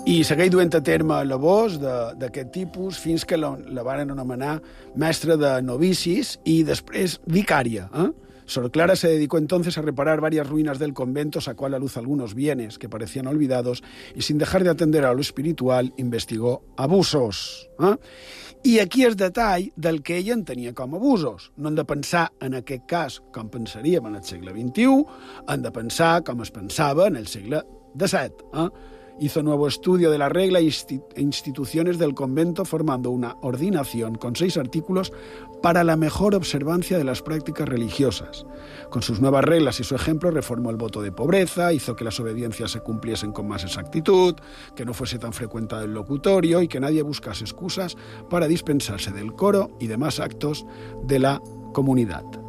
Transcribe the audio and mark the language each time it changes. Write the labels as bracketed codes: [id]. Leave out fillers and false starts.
[ca] segueix duent a terme labors d'aquest tipus fins que la varen anomenar mestra de novicis i després vicària. [es] Sor Clara se dedicó entonces a reparar varias ruinas del convento, sacó a la luz algunos bienes que parecían olvidados y sin dejar de atender a lo espiritual, investigó abusos. [ca] I aquí és detall del que ella en tenia com a abusos. No hem de pensar en aquest cas com pensaríem en el segle XXI, hem de pensar com es pensava en el segle XVII. [es] Hizo nuevo estudio de la regla e instituciones del convento formando una ordinación con 6 artículos para la mejor observancia de las prácticas religiosas. Con sus nuevas reglas y su ejemplo reformó el voto de pobreza, hizo que las obediencias se cumpliesen con más exactitud, que no fuese tan frecuentado el locutorio y que nadie buscase excusas para dispensarse del coro y demás actos de la comunidad.